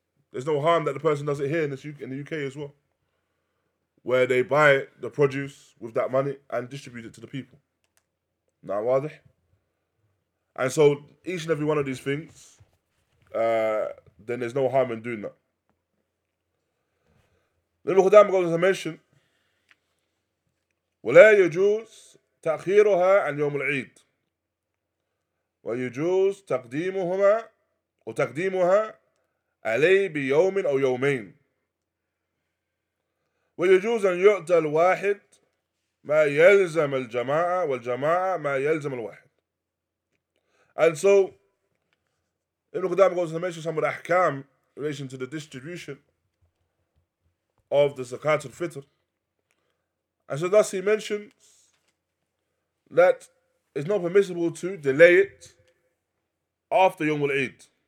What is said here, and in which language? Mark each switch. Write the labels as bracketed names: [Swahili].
[English] There's no harm that the person does it here in the UK as well. Where they buy the produce with that money and distribute it to the people. [Arabic] Na wadih? [English] And so each and every one of these things, then there's no harm in doing that. Ibn Qudamah goes on to mention, [Arabic] وَلَا يَجُوز تَأْخِيرُهَا عَنْ يَوْمُ الْعِيدِ وَيَجُوز تَقْدِيمُهُمَا وتقديمها عليه بيوم أو يومين ويجوز أن يؤتى الواحد ما يلزم الجماعة والجماعة ما يلزم الواحد. [English] And so Ibn Qudamah goes to mention some of the ahkam in relation to the distribution of the Zakat al-Fitr. And so thus he mentions that it's not permissible to delay it after Yawm al-Eid.